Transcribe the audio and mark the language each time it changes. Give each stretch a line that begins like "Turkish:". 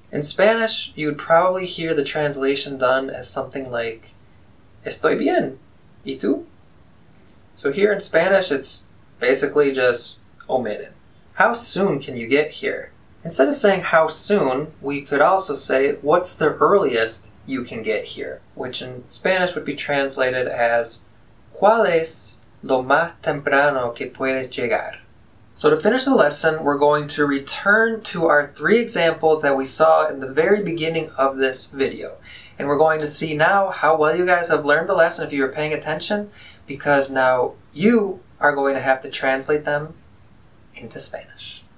English: In Spanish, you'd probably hear the translation done as something like,
Spanish: estoy bien, ¿y tú?
English: So here in Spanish, it's basically just omitted. How soon can you get here? Instead of saying how soon, we could also say, what's the earliest you can get here? Which in Spanish would be translated as,
Spanish: ¿cuál es lo más temprano que puedes llegar?
English: So to finish the lesson, we're going to return to our three examples that we saw in the very beginning of this video. And we're going to see now how well you guys have learned the lesson if you were paying attention, because now you are going to have to translate them into Spanish.